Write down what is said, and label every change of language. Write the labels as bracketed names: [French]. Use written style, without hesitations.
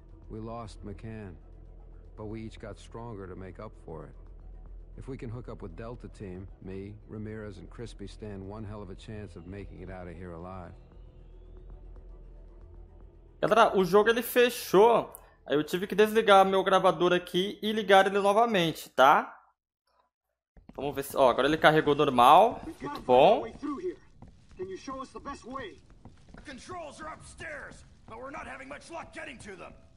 [English] We lost McCann, but we each got stronger to make up for it. If we can hook up with Delta Team, me, Ramirez and Crispy stand one hell of a chance of making it out of here alive. [Portuguese] Galera, o jogo ele fechou. Aí eu tive que desligar meu gravador aqui e ligar ele novamente, tá? Vamos ver se... Ó, agora ele carregou normal. Muito bom. [English] Can you show us the best way? The controls are upstairs, but we're not having much luck getting to them.